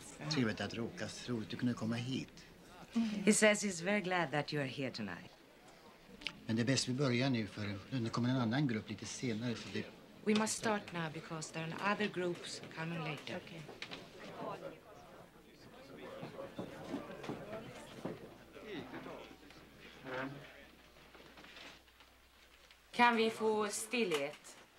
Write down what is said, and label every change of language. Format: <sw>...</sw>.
<sv>Trevligt att råkas, roligt du kunde komma hit.</sv> <en>He says he's very glad that you are here tonight.</en> <sv>Men det är bäst vi börjar nu, för nu kommer en annan grupp lite senare. För det...</sv> <en>We must start now, because there are other groups coming later. Okay.</en> <sv>Kan vi få stillhet?</sv>